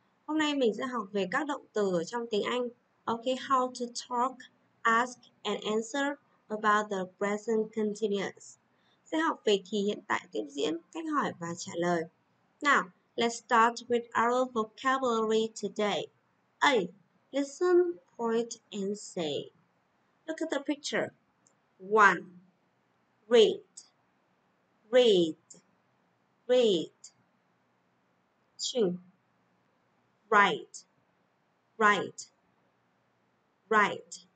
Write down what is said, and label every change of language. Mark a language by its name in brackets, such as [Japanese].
[Vietnamese] Hôm nay mình sẽ học về các động từ ở trong tiếng Anh. [English] Okay, how to talk, ask and answer about the present continuous. [Vietnamese] Sẽ học về thì hiện tại tiếp diễn, cách hỏi và trả lời. [English] Now, let's start with our vocabulary today. A. Listen, point and say. Look at the picture. 1. Read. Read. Read. 2. Write. Write. Write.